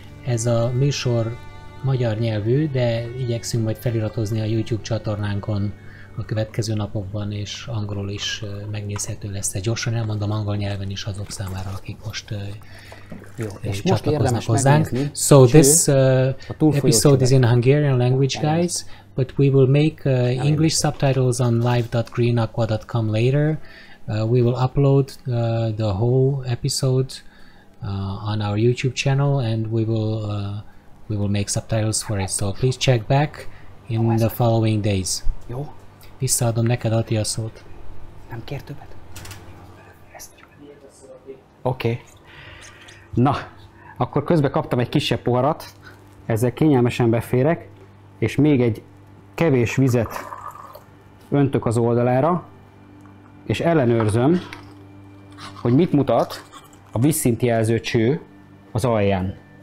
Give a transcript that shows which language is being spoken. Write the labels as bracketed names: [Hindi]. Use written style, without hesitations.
[Hungarian] Ez a műsor magyar nyelvű, de igyekszünk majd feliratozni a YouTube csatornánkon a következő napokban, és angolul is megnézhető lesz. Gyorsan elmondom, angol nyelven is azok számára, akik most csatlakoznak hozzánk. [English] So this episode is in Hungarian language, guys, but we will make English subtitles on live.greenaqua.com later. We will upload the whole episode on our YouTube channel, and we will make subtitles for it. So please check back in the following days. [Hungarian] Jó. Visszaadom neked, Ati, a szót. Nem kér többet? Oké. Na, akkor közben kaptam egy kisebb poharat, ezzel kényelmesen beférek, és még egy kevés vizet öntök az oldalára, és ellenőrzöm, hogy mit mutat a vízszintjelző cső az alján.